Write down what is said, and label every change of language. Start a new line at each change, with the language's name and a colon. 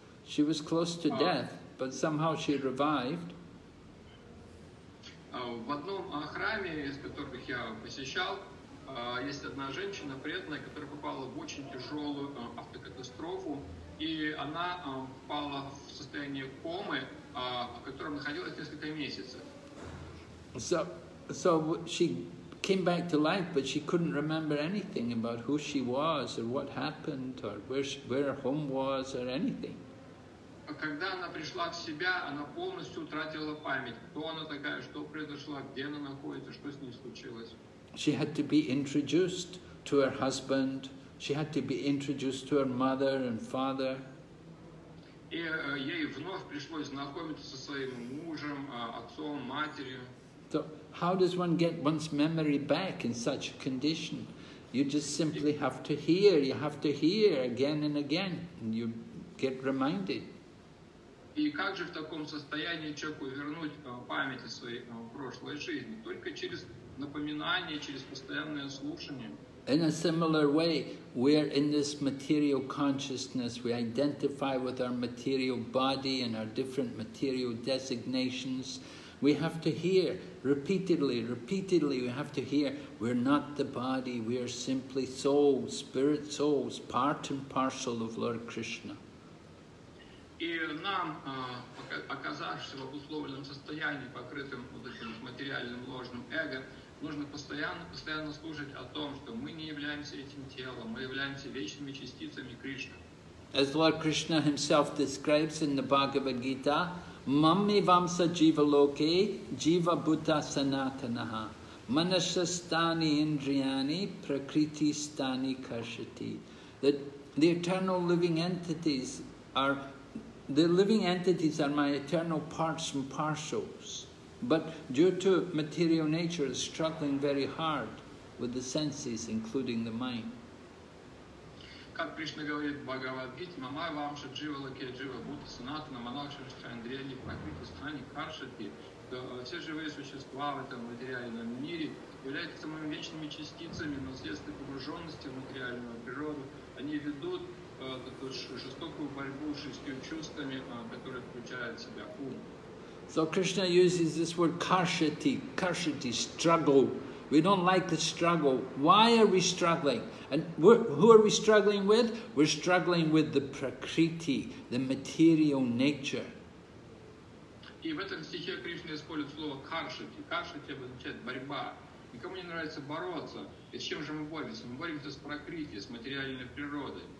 English: She was close to death, but somehow she revived.
Russian: В одном храме, из которых я посещал, есть одна женщина преданная, которая попала в очень тяжелую автокатастрофу. И она впала в состояние комы, в котором находилась несколько месяцев.
English: So she came back to life, but she couldn't remember anything about who she was or what happened or where her home was or anything.
Russian: Когда она пришла в себя, она полностью утратила память. Кто она такая, что произошло, где она находится, что с ней случилось?
English: She had to be introduced to her husband. She had to be introduced to her mother and father.
Russian: И ей вновь пришлось знакомиться со своим мужем, отцом, матерью.
English: So how does one get one's memory back in such a condition? You just simply have to hear, you have to hear again and again, and you get reminded.
Russian: И как же в таком состоянии человеку вернуть память о своей прошлой жизни? Только через напоминание, через постоянное слушание.
English: In a similar way, we're in this material consciousness, we identify with our material body and our different material designations. We have to hear repeatedly, we have to hear, we're not the body, we are simply souls, spirit souls, part and parcel of Lord Krishna.
Russian: И нам, оказавшись в обусловленном состоянии, покрытым вот этим материальным ложным эго, нужно постоянно слушать о том, что мы не являемся этим телом, мы являемся вечными частицами Кришны.
English: As Lord Krishna himself describes in the Bhagavad Gita,
Sanskrit: Mammi vamsa jiva loke jiva bhuta sanatanaha manasastani indriyani prakriti stani karshati.
English: The eternal living entities are, the living entities are my eternal parts and parcels. But due to material nature, it's struggling very hard with the senses, including the mind.
Russian: Как Кришна говорит в Бхагавад-гите,
Sanskrit: мамай вамша джива лаке джива бута санатана манакшаштха индриани пракрити стани каршати,
Russian: все живые существа в этом материальном мире являются самыми вечными частицами, но вследствие погруженности в материальную природу они ведут жестокую борьбу с шестью чувствами, которые включают в себя ум.
English: So Krishna uses this word karshati, karshati, struggle. We don't like the struggle. Why are we struggling? And who are we struggling with? We're struggling with the prakriti, the material nature.
Russian: И в этом стихе Кришна использует слово karshati. Karshati означает борьба. Никому не нравится бороться. И с чем же мы боремся? Мы боремся с прокрити, с материальной природой.